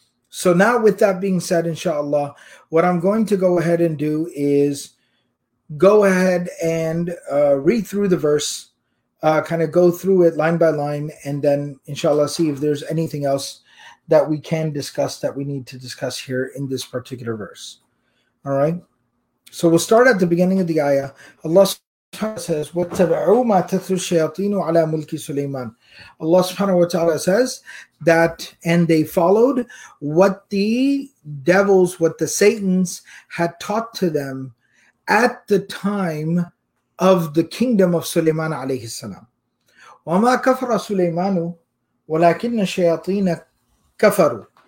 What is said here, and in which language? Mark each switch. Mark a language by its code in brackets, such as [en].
[en] So now with that being said, inshallah, what I'm going to go ahead and do is go ahead and read through the verse, kind of go through it line by line, and then inshallah see if there's anything else that we can discuss that we need to discuss here in this particular verse. All right, so we'll start at the beginning of the ayah. Allah subhanahu wa ta'ala says, [ar] وَاتَّبَعُوا مَا تَتْلُوا الشَّيَاطِينُ عَلَى مُلْكِ سُلَيْمَانَ. [en] Allah subhanahu wa ta'ala says that, and they followed what the devils, what the Satans had taught to them at the time of the kingdom of Sulaiman alayhi salam. [ar] وَمَا كَفَرَ سُلَيْمَانُ وَلَكِنَّ الشَّيَاطِينَ كَفَرُوا.